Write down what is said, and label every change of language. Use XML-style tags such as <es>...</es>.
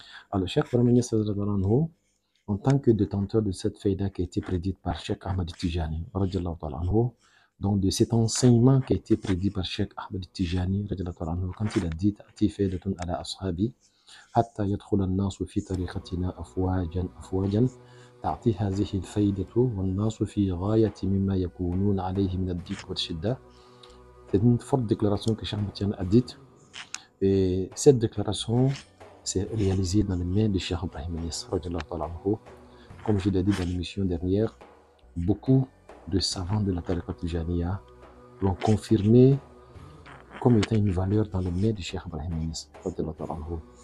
<fr>Alors, Cheikh Brahminias, en tant que détenteur de cette faïda qui a été prédite par Cheikh Ahmad Tijani, radiallahu, donc de cet enseignement qui a été prédit par Cheikh Ahmad Tijani, radiallahu, quand il a dit</fr> <ar>Atifaydatun ala ashabi, hatta yadkhulan nasu fi tariqatina afwajan afwajan. تعطي هذه الفائدة والناس في غاية مما يكونون عليه من الضيق والشدة.</ar> <fr>C'est une forte déclaration que Cheikh Moutian a dite. Et cette déclaration s'est réalisée dans les mains de Cheikh Ibrahim Niass, radiallahu ta'ala anhu. Comme je l'ai dit dans l'émission dernière, beaucoup de savants de la Tariqa Tijaniya l'ont confirmé comme étant une valeur dans les mains de Cheikh Ibrahim Niass, radiallahu ta'ala anhu.</fr>